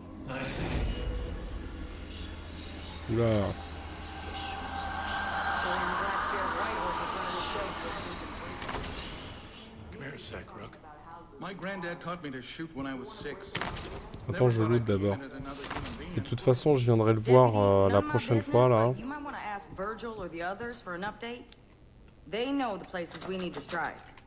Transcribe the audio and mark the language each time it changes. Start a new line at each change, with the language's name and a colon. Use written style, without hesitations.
English: Come here a sec, Rook. My granddad taught me to shoot when I was six.
French: Attends, je loot d'abord. Et de toute façon, je viendrai le voir la prochaine fois là.
English: You might want to ask Virgil or the others for an update. They know the places we need to strike.